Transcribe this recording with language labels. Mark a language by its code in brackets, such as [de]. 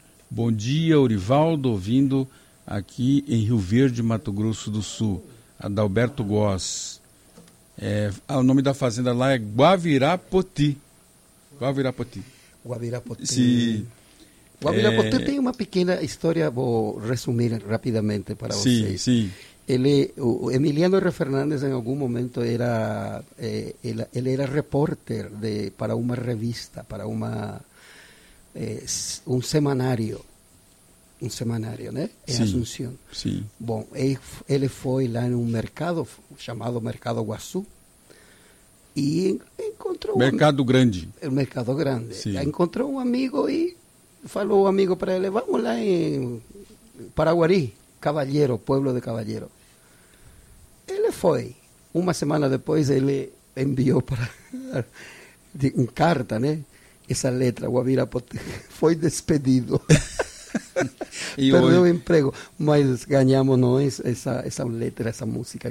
[pt] Bom dia, Orivaldo, ouvindo aqui em Rio Verde, Mato Grosso do Sul. Adalberto Góes. O nome da fazenda lá é Guavirapoti. Guavirapoti. Guavirapoti. Sim. Guavirapoti tem uma pequena história, vou resumir rapidamente para vocês. Sim, sim. O Emiliano R. [es] Fernández en algún momento era reporter para una revista, para un semanario, ¿no? En Asunción. Sí. Bueno, él fue lá en un mercado llamado Mercado Guazú y encontró un mercado grande. Sí. Encontró un amigo y falou un amigo para él: vamos lá en Paraguarí, Caballero, pueblo de Caballero. [pt] Ele foi. Uma semana depois, ele enviou para uma carta, né? Essa letra, Guavirapoti, foi despedido. Perdeu o emprego, mas ganhamos nós essa letra, essa música.